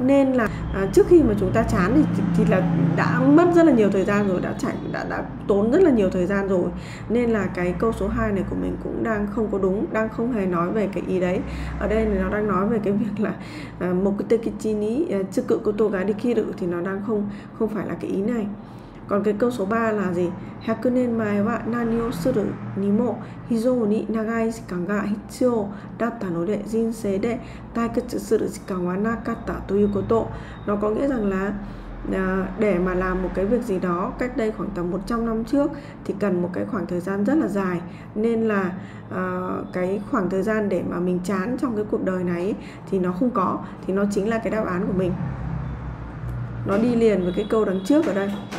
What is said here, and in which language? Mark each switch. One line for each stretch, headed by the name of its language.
Vietnamese: Nên là trước khi mà chúng ta chán thì là đã mất rất là nhiều thời gian rồi, đã tốn rất là nhiều thời gian rồi. Nên là cái câu số 2 này của mình cũng đang không có đúng, đang không hề nói về cái ý đấy. Ở đây nó đang nói về cái việc là
Japanese: mokutekichini chukukoto ga dekiru
Vietnamese: thì nó đang không phải là cái ý này. Còn cái câu số 3 là gì?
Japanese: 100 年前は何をするにも非常に長い時間が必要だったので人生で退屈する時間はなかったということ。
Vietnamese: Nó có nghĩa rằng là để mà làm một cái việc gì đó cách đây khoảng tầm 100 năm trước thì cần một cái khoảng thời gian rất là dài. Nên là cái khoảng thời gian để mà mình chán trong cái cuộc đời này thì nó không có. Thì nó chính là cái đáp án của mình. Nó đi liền với cái câu đằng trước ở đây.